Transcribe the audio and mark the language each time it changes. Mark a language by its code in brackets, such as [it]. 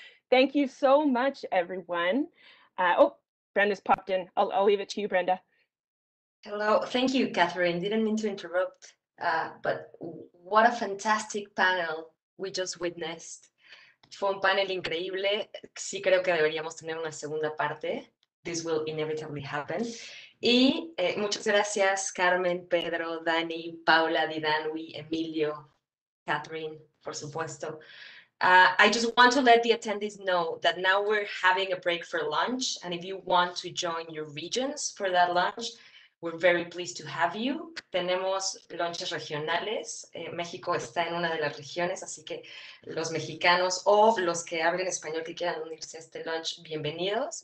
[en] Thank you so much, everyone. Brenda's popped in. I'll leave it to you, Brenda. Hello. Thank you, Catherine. Didn't mean to interrupt, but what a fantastic panel we just witnessed. [es] Fue un panel increíble. Sí creo que deberíamos tener una segunda parte. [en] This will inevitably happen. [es] Y muchas gracias, Carmen, Pedro, Dani, Paula, Didanwy, Emilio, Catherine, por supuesto. [en] I just want to let the attendees know that now we're having a break for lunch. And if you want to join your regions for that lunch, we're very pleased to have you. [es] Tenemos lunches regionales. México está en una de las regiones, así que los mexicanos o los que hablen español que quieran unirse a este lunch, bienvenidos.